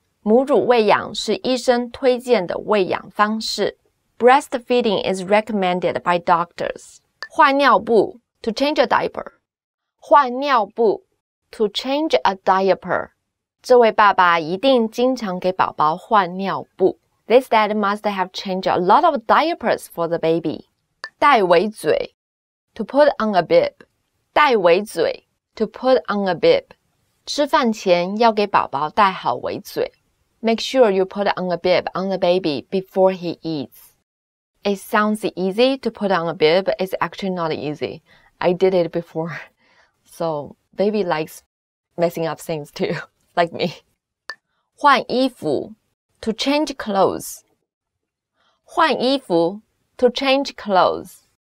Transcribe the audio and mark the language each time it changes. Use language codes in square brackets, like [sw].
[zh] 母乳喂养是医生推荐的喂养方式。 [en] Breastfeeding is recommended by doctors. [zh] 换尿布, [en] to change a diaper. [zh] 换尿布, [en] to change a diaper. [zh] 这位爸爸一定经常给宝宝换尿布。 [en] This dad must have changed a lot of diapers for the baby. [zh] 带围嘴, [en] to put on a bib. 带围嘴, to put on a bib. [zh] 吃饭前要给宝宝带好围嘴。 [en] Make sure you put on a bib on the baby before he eats. It sounds easy to put on a bib, but it's actually not easy. I did it before. So, baby likes messing up things too, like me. [zh] 换衣服, [en] to change clothes. 换衣服, to change clothes.